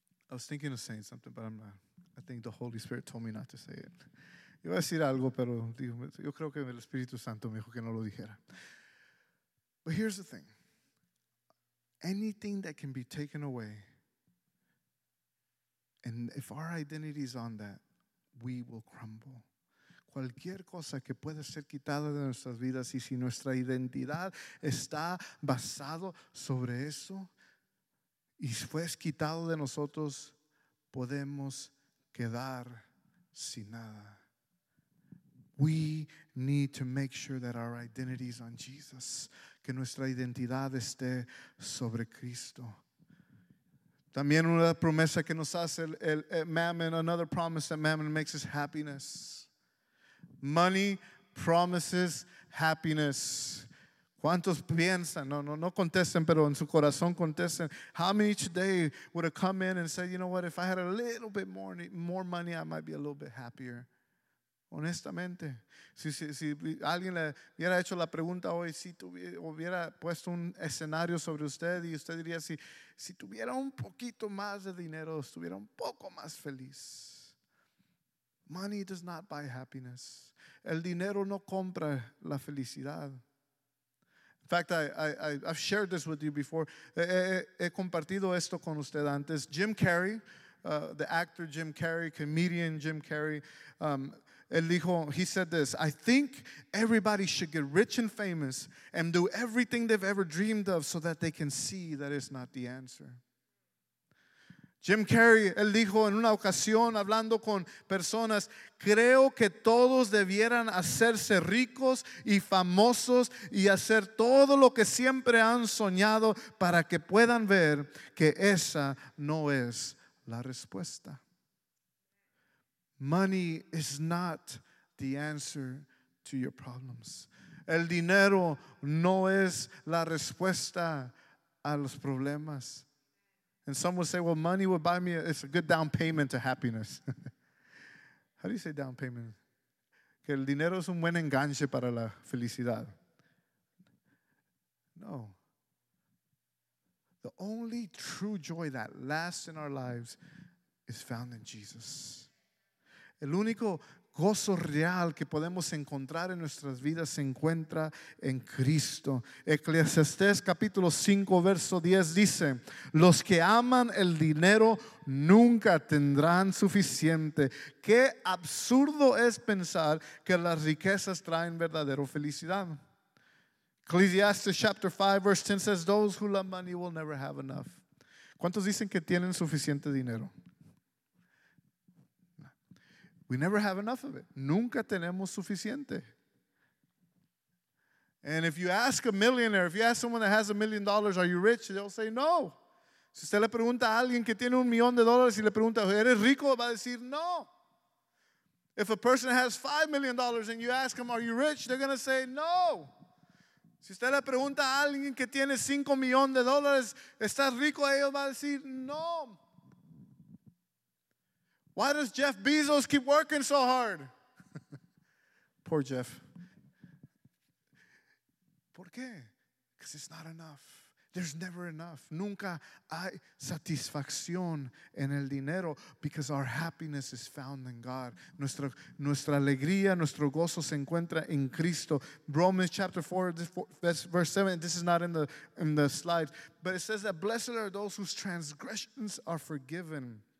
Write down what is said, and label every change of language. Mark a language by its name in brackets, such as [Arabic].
[English] I was thinking of saying something, but I'm not. I think the Holy Spirit told me not to say it. [Spanish] Iba a decir algo, pero yo creo que el Espíritu Santo me dijo que no lo dijera. [English] But here's the thing. Anything that can be taken away, and if our identity is on that, we will crumble. [Spanish] Cualquier cosa que pueda ser quitada de nuestras vidas y si nuestra identidad está basado sobre eso y fue quitado de nosotros, podemos quedar sin nada. [English] We need to make sure that our identity is on Jesus. [Spanish] Que nuestra identidad esté sobre Cristo. También una promesa que nos hace el mammon, [English] another promise that mammon makes is happiness. Money promises happiness. [Spanish] ¿Cuántos piensan? No contesten, pero en su corazón contesten. [English] How many each day would have come in and said, you know what, if I had a little bit more money, I might be a little bit happier. [Spanish] Honestamente, si alguien le hubiera hecho la pregunta hoy, si hubiera puesto un escenario sobre usted y usted diría, si tuviera un poquito más de dinero, estuviera un poco más feliz. [English] Money does not buy happiness. [Spanish] El dinero no compra la felicidad. [English] In fact, I've shared this with you before. [Spanish] He compartido esto con usted antes. [English] Jim Carrey, the actor Jim Carrey, comedian Jim Carrey, he said this: I think everybody should get rich and famous and do everything they've ever dreamed of so that they can see that it's not the answer. [Spanish] Jim Carrey, él dijo en una ocasión, hablando con personas, creo que todos debieran hacerse ricos y famosos y hacer todo lo que siempre han soñado para que puedan ver que esa no es la respuesta. [English] Money is not the answer to your problems. [Spanish] El dinero no es la respuesta a los problemas. [English] And some would say, well, money would buy me, it's a good down payment to happiness. How do you say down payment? [Spanish] Que el dinero es un buen enganche para la felicidad. No. [English] The only true joy that lasts in our lives is found in Jesus. [Spanish] El único gozo real que podemos encontrar en nuestras vidas se encuentra en Cristo. Eclesiastés capítulo 5, verso 10 dice: los que aman el dinero nunca tendrán suficiente. Qué absurdo es pensar que las riquezas traen verdadera felicidad. [English] Ecclesiastes chapter 5, verse 10 says: those who love money will never have enough. [Spanish] ¿Cuántos dicen que tienen suficiente dinero? [English] We never have enough of it. [Spanish] Nunca tenemos suficiente. [English] And if you ask a millionaire, if you ask someone that has $1 million, are you rich? They'll say no. [Spanish] Si usted le pregunta a alguien que tiene $1,000,000 y le pregunta, ¿eres rico? Va a decir no. [English] If a person has $5 million and you ask them, are you rich? They're going to say no. [Spanish] Si usted le pregunta a alguien que tiene $5 million, ¿estás rico? Ellos va a decir no. [English] Why does Jeff Bezos keep working so hard? Poor Jeff. [Spanish] ¿Por qué? [English] Because it's not enough. There's never enough. [Spanish] Nunca hay satisfacción en el dinero [English] because our happiness is found in God. [Spanish] Nuestra alegría, nuestro gozo se encuentra en Cristo. [English] Romans chapter 4, verse 7, this is not in the slides, but it says that blessed are those whose transgressions are forgiven.